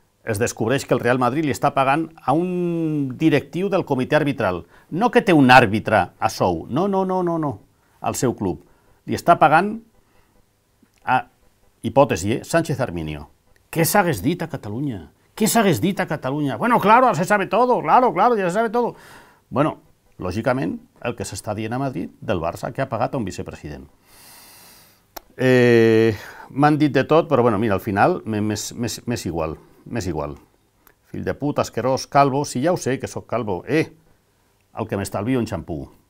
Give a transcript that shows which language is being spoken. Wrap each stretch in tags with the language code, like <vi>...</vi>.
<ca>es descobreix que el Real Madrid li està pagant a un directiu del comitè arbitral. No que té un àrbitre a sou, no, no, no, no, no, al seu club. Li està pagant a, hipòtesi, Sánchez Arminio. Què s'hagués dit a Catalunya? Què s'hagués dit a Catalunya?</ca> <es>Bueno, claro, se sabe todo, claro, claro, ya se sabe todo.</es> <ca>Bueno, lògicament, el que s'està dient a Madrid del Barça, que ha pagat a un vicepresident. M'han dit de tot, però bueno, mira, al final m'és igual, m'és igual. Fill de puta, asquerós, calvo, si ja ho sé que sóc calvo, el que m'estalvio un xampú.</ca>